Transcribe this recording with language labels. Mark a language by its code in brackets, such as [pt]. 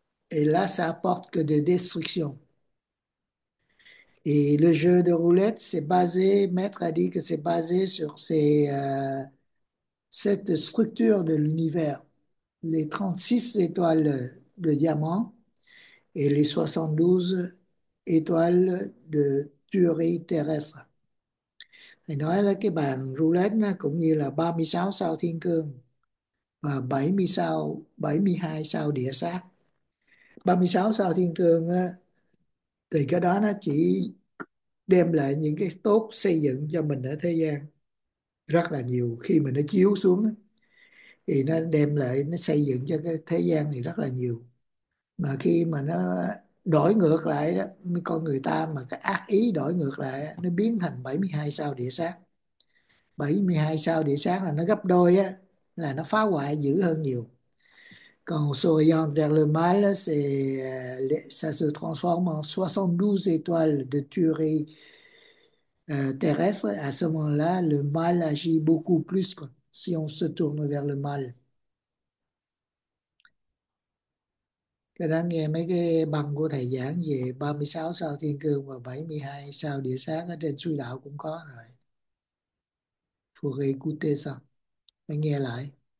[fr] Et là, ça apporte que des destructions. Et le jeu de roulette, c'est basé, Maître a dit que c'est basé sur cette structure de l'univers, les 36 étoiles de diamant et les 72 étoiles de tuerie terrestre. [vi] Thầy nói là cái bàn roulette nó cũng như là 36 sao thiên cương và 70 sao, 72 sao địa sát. 36 sao thiên cương thì cái đó nó chỉ đem lại những cái tốt xây dựng cho mình ở thế gian. Rất là nhiều khi mà nó chiếu xuống thì nó đem lại, nó xây dựng cho cái thế gian này rất là nhiều. Mà khi mà nó đổi ngược lại đó, con người ta mà cái ác ý đổi ngược lại, nó biến thành 72 sao địa sát. 72 sao địa sát là nó gấp đôi á, là nó phá hoại dữ hơn nhiều. [fr] Còn soyons vers le mal, ça se transforme en 72 étoiles de tuerie terrestre. À ce moment-là, le mal agit beaucoup plus quoi, si on se tourne vers le mal. [vi] Cái đó nghe mấy cái băng của thầy giảng về 36 sao thiên cương và 72 sao địa sát ở trên suy đạo cũng có rồi. [fr] Faut écouter ça. [vi] Anh nghe lại.